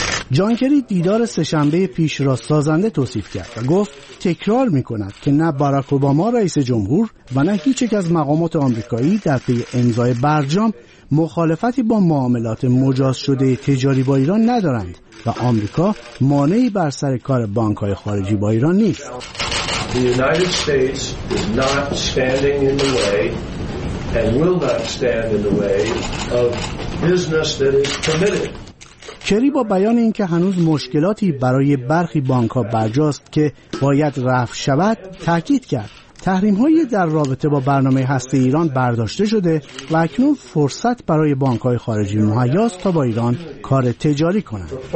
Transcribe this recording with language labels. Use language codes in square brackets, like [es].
[fa] جان کری دیدار سه‌شنبه پیش را سازنده توصیف کرد و گفت تکرار می‌کند که نه باراک اوباما رئیس جمهور و نه هیچ یک از مقامات آمریکایی در پی امضای برجام مخالفتی با معاملات مجاز شده تجاری با ایران ندارند و آمریکا مانعی بر سر کار بانک‌های خارجی با ایران نیست. [en] The United States is not standing in the way and will not stand in the way of business that is permitted. [fa] کری با بیان اینکه هنوز مشکلاتی برای برخی بانک‌ها برجاست که باید رفع شود تاکید کرد تحریم‌های در رابطه با برنامه هسته ایران برداشته شده و اکنون فرصت برای بانک‌های خارجی مهیاست تا با ایران کار تجاری کنند.